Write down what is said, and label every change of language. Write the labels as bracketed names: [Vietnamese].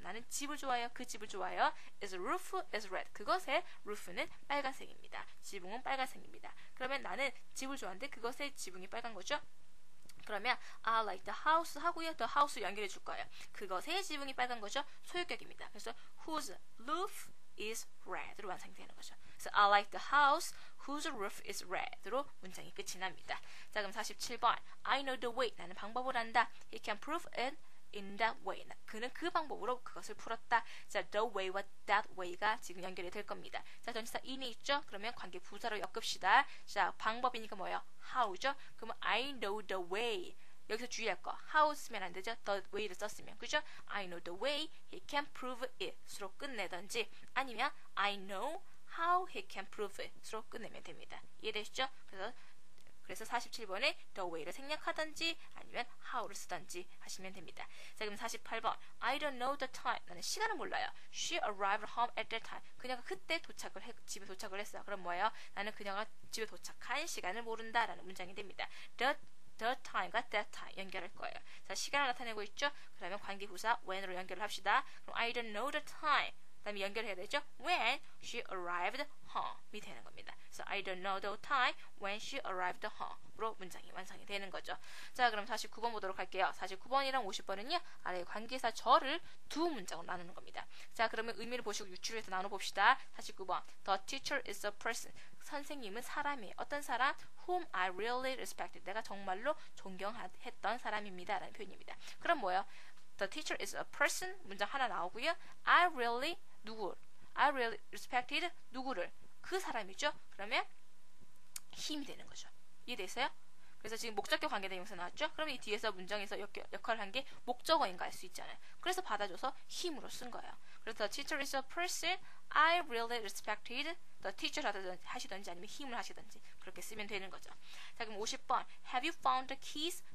[Korean] 나는 집을 좋아해요. 그 집을 좋아해요. [English] Its roof is red. [Korean] 그것의 roof는 빨간색입니다. 지붕은 빨간색입니다. 그러면 나는 집을 좋아하는데 그것의 지붕이 빨간 거죠? [English] 그러면 I like the house 하고요. [Korean] The house 연결해 줄 거예요. 그것의 지붕이 빨간 거죠? 소유격입니다. 그래서 [English] whose roof is red [Korean] 로 완성되는 거죠. [English] So I like the house whose roof is red로 문장이 끝이 납니다. 자, 그럼 47번 I know the way. [Korean] 나는 방법을 안다. [English] He can prove it in that way. [Korean] 그는 그 방법으로 그것을 풀었다. 자, the way와 that way가 지금 연결이 될 겁니다. 자, 전치사 in이 있죠? 그러면 관계 부사로 엮읍시다. 자, 방법이니까 뭐예요? How죠? [English] 그러면 I know the way. [Korean] 여기서 주의할 거. How 쓰면 안 되죠? [English] The way를 썼으면. 그죠? I know the way. He can prove it.으로 끝내든지 아니면 I know how he can prove it.으로 끝내면 됩니다. [Korean] 이해되시죠? 그래서 47번에 the way를 생략하든지 아니면 how를 쓰든지 하시면 됩니다. [English] 자, 그럼 48번 I don't know the time. [Korean] 나는 시간을 몰라요. [English] She arrived home at that time. [Korean] 그녀가 그때 집에 도착을 했어요. 그럼 뭐예요? 나는 그녀가 집에 도착한 시간을 모른다 라는 문장이 됩니다. [English] The time과 that time 연결할 거예요. [Korean] 자, 시간을 나타내고 있죠? 그러면 관계 부사 when으로 연결을 합시다. [English] 그럼 I don't know the time. [Korean] 그 다음에 연결해야 되죠? [English] When she arrived home이 되는 겁니다. So I don't know the time when she arrived home으로 문장이 완성이 되는 거죠. [Korean] 자, 그럼 49번 보도록 할게요. 49번이랑 50번은요. 아래에 관계사 저를 두 문장으로 나누는 겁니다. 자, 그러면 의미를 보시고 유추해서 나눠봅시다. [English] 49번 The teacher is a person. [Korean] 선생님은 사람이에요. 어떤 사람? [English] Whom I really respected. [Korean] 내가 정말로 존경했던 사람입니다. 라는 표현입니다. 그럼 뭐예요? [English] The teacher is a person 문장 하나 나오고요. I really 누구? I really respected 누구를? [Korean] 그 사람이죠. 그러면 힘이 되는 거죠. 이해되세요? 그래서 지금 목적격 관계대명사 나왔죠? 그러면 이 뒤에서 문장에서 역할을 한 게 목적어인가 할 수 있잖아요. 그래서 받아줘서 힘으로 쓴 거예요. [English] 그래서 the teacher is a person I really respected the teacher 하시든지 아니면 힘을 하시든지 그렇게 쓰면 되는 거죠. 자, 그럼 50번 Have you found the keys?